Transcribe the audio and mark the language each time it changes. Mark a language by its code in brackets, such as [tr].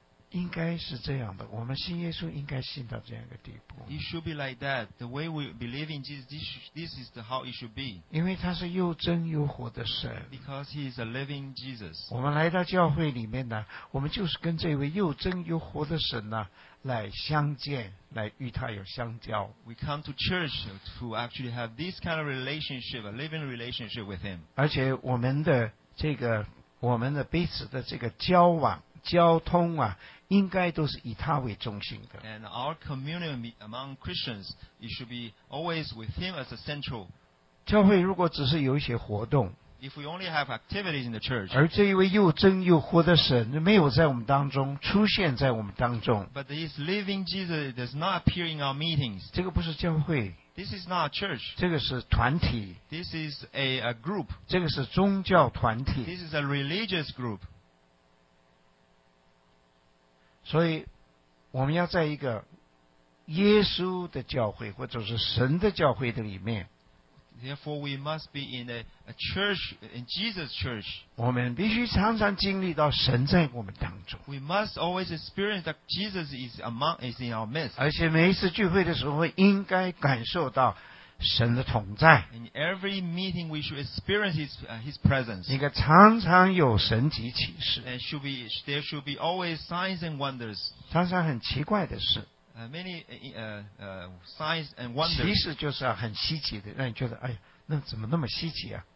[zh] 应该是这样的，我们信耶稣应该信到这样一个地步。 [en] It should be like that. The way we believe in Jesus, this is the how it should be. [zh] 因为他是又真又活的神。 [en] Because he is a living Jesus. [zh] 我们来到教会里面呢，我们就是跟这位又真又活的神呢来相见，来与他有相交。 [en] We come to church to actually have this kind of relationship, a living relationship with him. [zh] 而且我们的这个，我们的彼此的这个交往。交通啊，应该都是以他为中心的。 [en] And our communion among Christians, it should be always with him as a central. [zh] 教会如果只是有一些活动， [en] if we only have activities in the church, [zh] 而这一位又真又活的神没有在我们当中出现在我们当中， [en] but this living Jesus does not appear in our meetings. [zh] 这个不是教会。 [en] This is not a church. [zh] 这个是团体。 [en] This is a group. [zh] 这个是宗教团体。 [en] This is a religious group. [zh] 所以我们要在一个耶稣的教会或者是神的教会的里面， [en] Therefore we must be in a church, in Jesus church. [zh] 我们必须常常经历到神在我们当中。 [en] We must always experience that Jesus is in our midst. [zh] 而且每一次聚会的时候应该感受到神的同在。 [en] In every meeting we should experience his presence. [zh] 应该常常有神迹奇事。 [en] And there should be always signs and wonders. [zh] 常常很奇怪的事。 [en] Many signs and wonders. [zh] 其实就是很稀奇的，让你觉得哎呀，那怎么那么稀奇啊？